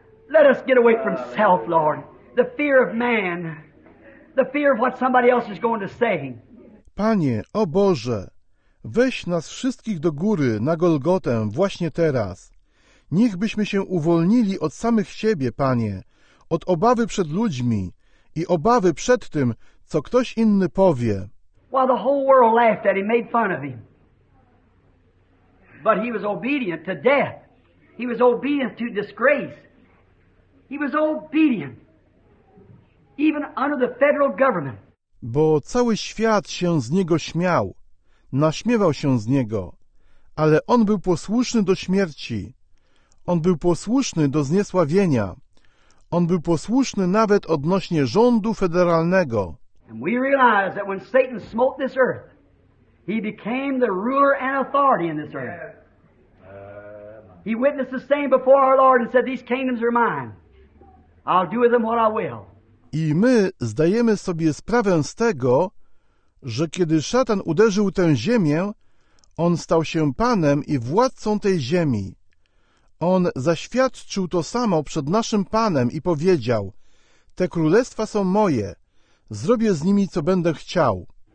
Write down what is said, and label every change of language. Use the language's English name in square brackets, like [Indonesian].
[English] Let us get away from self, Lord. The fear of man. The fear of what somebody else is going to say. [Polish] Panie, o Boże, weź nas wszystkich do góry na Golgotę właśnie teraz. Niech byśmy się uwolnili od samych siebie, Panie, od obawy przed ludźmi i obawy przed tym, co ktoś inny powie. [English] While the whole world laughed at him, made fun of him. But he was obedient to death. He was obedient to disgrace. He was obedient, even under the federal government. [Polish] Bo cały świat się z niego śmiał, naśmiewał się z niego, ale on był posłuszny do śmierci. On był posłuszny do zniesławienia. On był posłuszny nawet odnośnie rządu federalnego. [English] And we realize that when Satan smote this earth, he became the ruler and authority in this earth. He witnessed the same before our Lord and said, "These kingdoms are mine. I'll do with them what I will." [Polish] I my zdajemy sobie sprawę z tego, że kiedy szatan uderzył tę ziemię, on stał się panem i władcą tej ziemi. On zaświadczył to samo przed naszym Panem i powiedział: te królestwa są moje, zrobię z nimi, co będę chciał.